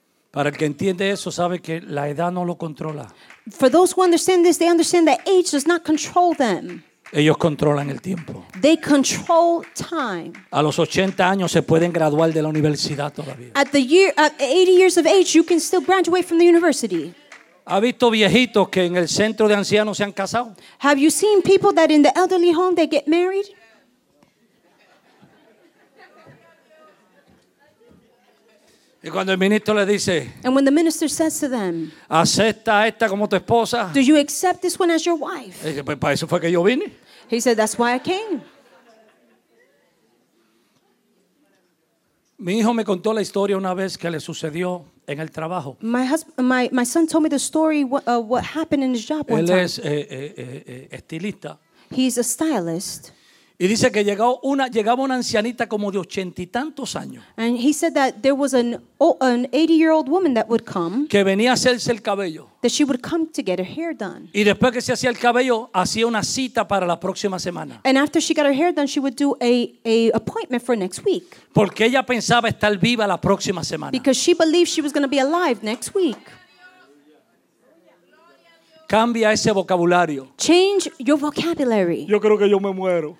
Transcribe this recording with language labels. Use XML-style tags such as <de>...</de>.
<es>Para el que entiende eso, sabe que la edad no lo controla.</es> <en>For those who understand this, they understand that age does not control them.</en> <es>Ellos controlan el tiempo.</es> <en>They control time.</en> <es>A los 80 años se pueden graduar de la universidad todavía.</es> <en>At the year, at 80 years of age, you can still graduate from the university.</en> <es>¿Ha visto viejitos que en el centro de ancianos se han casado?</es> <en>Have you seen people that in the elderly home they get married?</en> <es>Y cuando el ministro le dice,</es> <en>and when the minister says to them,</en> <es>¿acepta esta como tu esposa?</es> <en>Do you accept this one as your wife?</en> <es>Y dice, pues para eso fue que yo vine.</es> <en>He said, that's why I came.</en> <es>Mi hijo me contó la historia una vez que le sucedió en el trabajo.</es> <en>My son told me the story what happened in his job one time.</en> <es>Él es estilista.</es> <en>He's a stylist.</en> <es>Y dice que llegaba una ancianita como de 80 y tantos años.</es> <en>And he said that there was an 80-year-old woman that would come.</en> <es>Que venía a hacerse el cabello.</es> <en>That she would come to get her hair done.</en> <es>Y después que se hacía el cabello, hacía una cita para la próxima semana.</es> <en>And after she got her hair done, she would do a appointment for next week.</en> <es>Porque ella pensaba estar viva la próxima semana.</es> <en>Because she believed she was going to be alive next week.</en> <es>Cambia ese vocabulario.</es> <en>Change your vocabulary.</en> <es>Yo creo que yo me muero.</es>